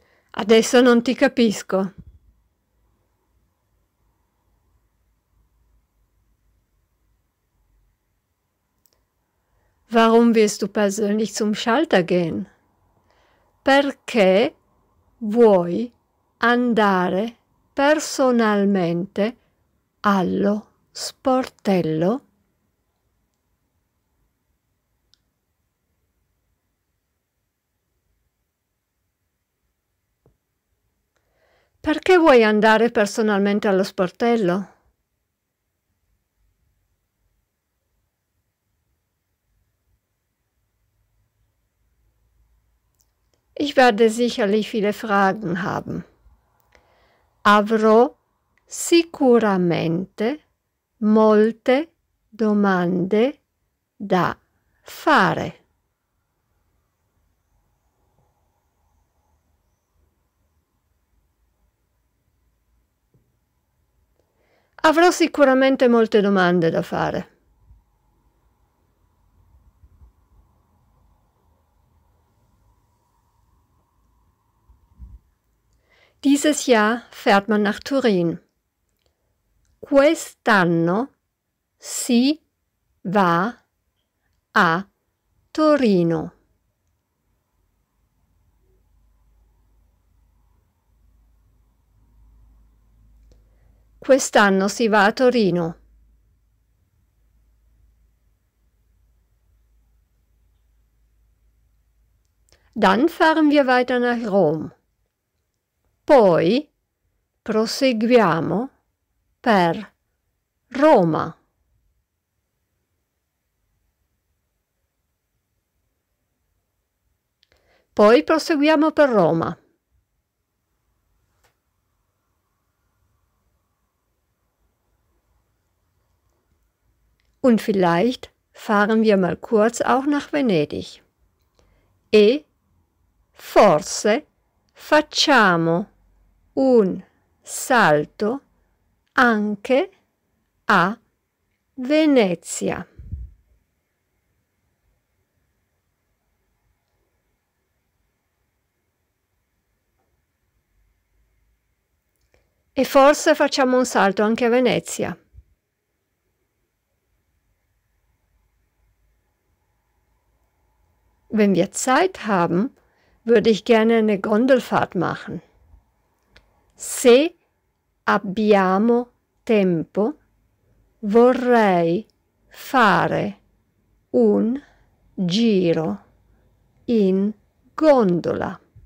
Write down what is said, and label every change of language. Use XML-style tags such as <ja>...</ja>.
<it>Adesso non ti capisco.</it> <de>Warum willst du persönlich zum Schalter gehen?</de> <it>Perché vuoi andare personalmente allo sportello? Perché vuoi andare personalmente allo sportello?</it> <de>Ich werde sicherlich viele Fragen haben.</de> <it>Avrò sicuramente molte domande da fare. Avrò sicuramente molte domande da fare.</it> <de>Dieses Jahr fährt man nach Turin.</de> <it>Quest'anno si va a Torino. Quest'anno si va a Torino.</it> <de>Dann fahren wir weiter nach Rom.</de> <it>Poi proseguiamo per Roma. Poi proseguiamo per Roma.</it> <de>Und vielleicht fahren wir mal kurz auch nach Venedig.</de> <it>E forse facciamo un salto anche a Venezia. E forse facciamo un salto anche a Venezia.</it> <de>Wenn wir Zeit haben, würde ich gerne eine Gondelfahrt machen.</de> <it>Se abbiamo tempo, vorrei fare un giro in gondola.</it>